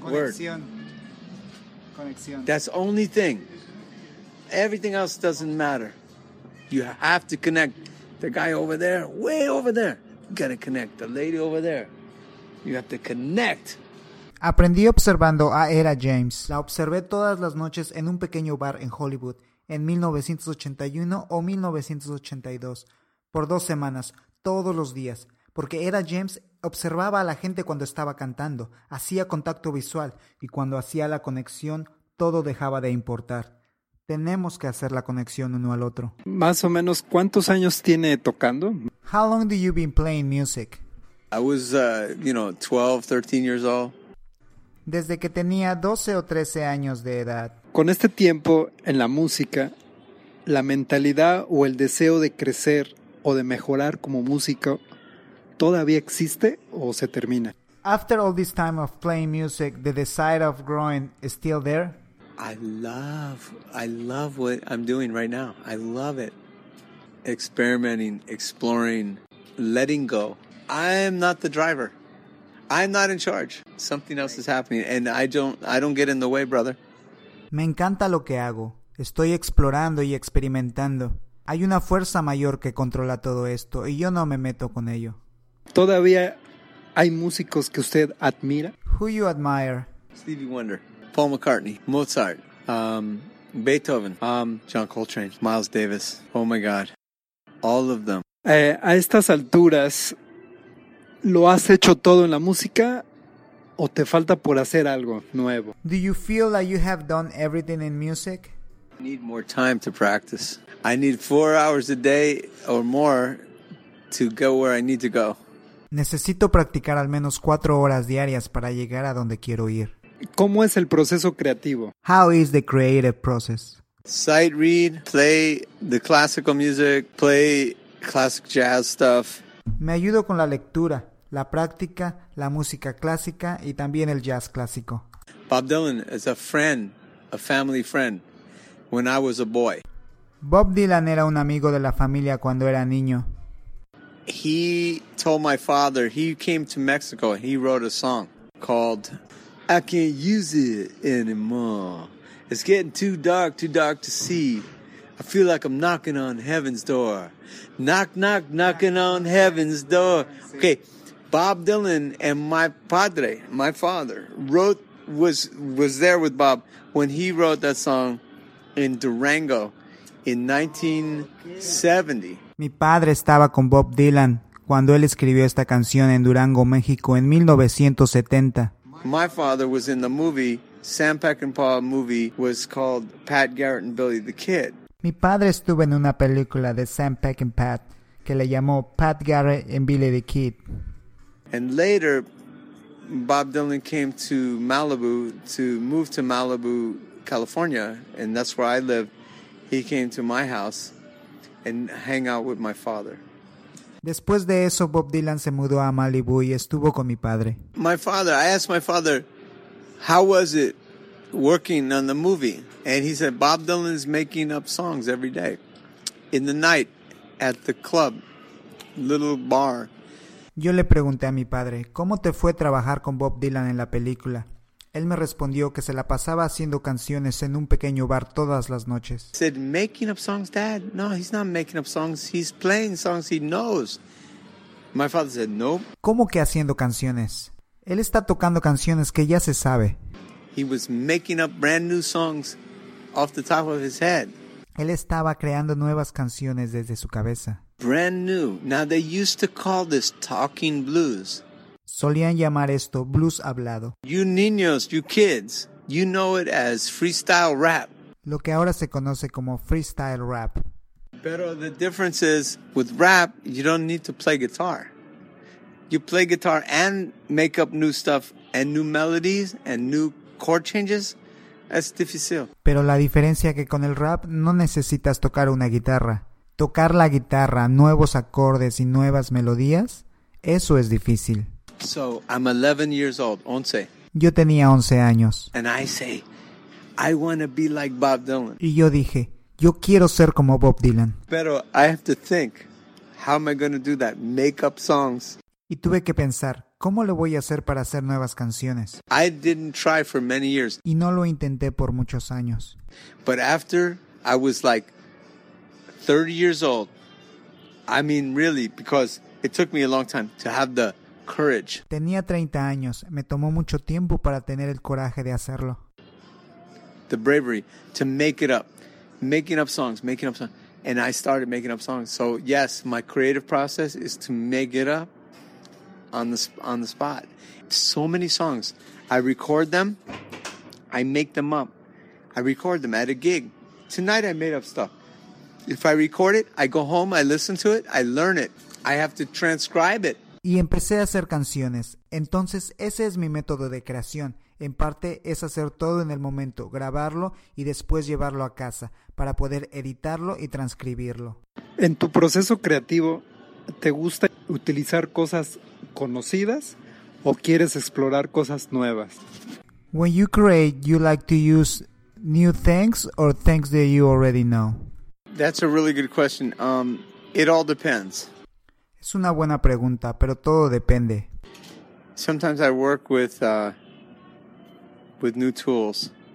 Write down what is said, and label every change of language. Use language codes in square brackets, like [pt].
[es] conexión. [en] Word. [es] Conexión. [en] That's only thing. Everything else doesn't matter. You have to connect. The guy over there, way over there, you gotta connect. The lady over there, you have to connect. [es] Aprendí observando a Etta James. La observé todas las noches en un pequeño bar en Hollywood en 1981 o 1982, por 2 semanas, todos los días, porque Etta James observaba a la gente cuando estaba cantando, hacía contacto visual y cuando hacía la conexión, todo dejaba de importar. Tenemos que hacer la conexión uno al otro. Más o menos, ¿cuántos años tiene tocando? [en] How long do you been playing music? I was, 12, 13 years old. [es] desde que tenía 12 o 13 años de edad. Con este tiempo en la música, la mentalidad o el deseo de crecer o de mejorar como músico, ¿todavía existe o se termina? [en] After all this time of playing music, the desire of growing is still there? I love what I'm doing right now. I love it. Experimenting, exploring, letting go. I am not the driver. I'm not in charge. Something else is happening and I don't get in the way, brother. [es] Me encanta lo que hago. Estoy explorando y experimentando. Hay una fuerza mayor que controla todo esto y yo no me meto con ello. ¿Todavía hay músicos que usted admira? [en] Who you admire? Stevie Wonder, Paul McCartney, Mozart, Beethoven, John Coltrane, Miles Davis. Oh my God. All of them. [es] A estas alturas, ¿lo has hecho todo en la música o te falta por hacer algo nuevo? [en] Do you feel that you have done everything in music? I need more time to practice. I need 4 hours a day or more to go where I need to go. [es] Necesito practicar al menos 4 horas diarias para llegar a donde quiero ir. ¿Cómo es el proceso creativo? [en] How is the creative process? Sight read, play the classical music, play classic jazz stuff. [es] Me ayudo con la lectura, la práctica, la música clásica y también el jazz clásico. [en] Bob Dylan is a friend, a family friend, when I was a boy. [es] Bob Dylan era un amigo de la familia cuando era niño. [en] He told my father, he came to Mexico, he wrote a song called I Can't Use It Anymore. It's getting too dark to see. I feel like I'm knocking on heaven's door. Knock, knock, knocking on heaven's door. Okay, Bob Dylan and my padre, my father, was there with Bob when he wrote that song in Durango in 1970. [es] Mi padre estaba con Bob Dylan cuando él escribió esta canción en Durango, México, en 1970. [en] My father was in the movie, Sam Peckinpah movie, was called Pat Garrett and Billy the Kid. [es] Mi padre estuvo en una película de Sam Peckinpah que le llamó Pat Garrett and Billy the Kid. [en] And later, Bob Dylan came to Malibu, to move to Malibu, California, and that's where I live. He came to my house and hang out with my father. [es] Después de eso, Bob Dylan se mudó a Malibu y estuvo con mi padre. [en] My father, I asked my father, how was it working on the movie? And he said, Bob Dylan's making up songs every day. In the night, at the club, little bar. [es] Yo le pregunté a mi padre, ¿cómo te fue trabajar con Bob Dylan en la película? Él me respondió que se la pasaba haciendo canciones en un pequeño bar todas las noches. [en] He said, making up songs, Dad? No, he's not making up songs. He's playing songs he knows. My father said, no. [es] ¿Cómo que haciendo canciones? Él está tocando canciones que ya se sabe. [en] He was making up brand new songs off the top of his head. [es] Él estaba creando nuevas canciones desde su cabeza. [en] Brand new. Now they used to call this talking blues. [es] Solían llamar esto blues hablado. [en] You niños, you kids, you know it as freestyle rap. [es] Lo que ahora se conoce como freestyle rap. [en] Pero the difference is, with rap, you don't need to play guitar. You play guitar and make up new stuff and new melodies and new chord changes. That's difficile. [es] Pero la diferencia que con el rap no necesitas tocar una guitarra. Tocar la guitarra, nuevos acordes y nuevas melodías, eso es difícil. [en] So I'm 11 years old, 11. [es] Yo tenía 11 años. [en] And I say, I want to be like Bob Dylan. [es] Y yo dije, yo quiero ser como Bob Dylan. [en] Pero I have to think, how am I going to do that? Make up songs. [es] Y tuve que pensar, ¿cómo lo voy a hacer para hacer nuevas canciones? [en] I didn't try for many years. [es] Y no lo intenté por muchos años. [en] But after I was like 30 years old, I mean really, because it took me a long time to have the courage. [es] Tenía 30 años. Me tomó mucho tiempo para tener el coraje de hacerlo. [en] The bravery to make it up. Making up songs. And I started making up songs. So yes, my creative process is to make it up on the spot. So many songs. I record them. I make them up. I record them at a gig. Tonight I made up stuff. If I record it, I go home, I listen to it, I learn it. I have to transcribe it. [es] Y empecé a hacer canciones. Entonces, ese es mi método de creación. en parte es hacer todo en el momento, grabarlo y después llevarlo a casa para poder editarlo y transcribirlo. En tu proceso creativo, ¿te gusta utilizar cosas conocidas o quieres explorar cosas nuevas? [en] When you create, you like to use new things or things that you already know? That's a really good question. It all depends. [es] Es una buena pregunta, pero todo depende. [en] Sometimes I work with new tools.